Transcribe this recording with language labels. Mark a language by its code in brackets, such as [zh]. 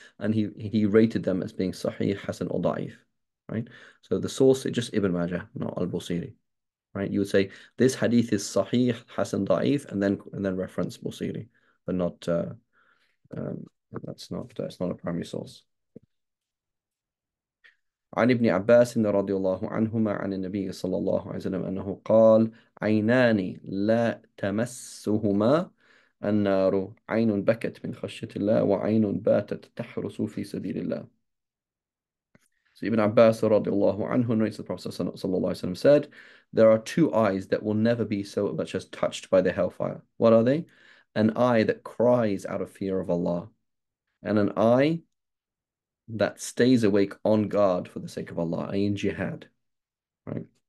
[en] And he rated them as being sahih, hasan, or da'if, right? So the source is just Ibn Majah, not Al-Busiri. Right? You would say this hadith is sahih, hasan, da'if, and then reference Busiri, but not it's not a primary source. [ar] عن ابن عباس رضي الله عنهما عن النبي صلى الله عليه وسلم أنه قال عينان لا تمسهما النار عين بكت من خشية الله وعين باتت تحرس في سبيل الله. [en] So Ibn Abbas [ar] رضي الله عنه [en] narrates, the Prophet [ar] صلى الله عليه وسلم [en] said, there are two eyes that will never be so much as touched by the hellfire. What are they? An eye that cries out of fear of Allah, and an eye that stays awake on guard for the sake of Allah, in jihad, right?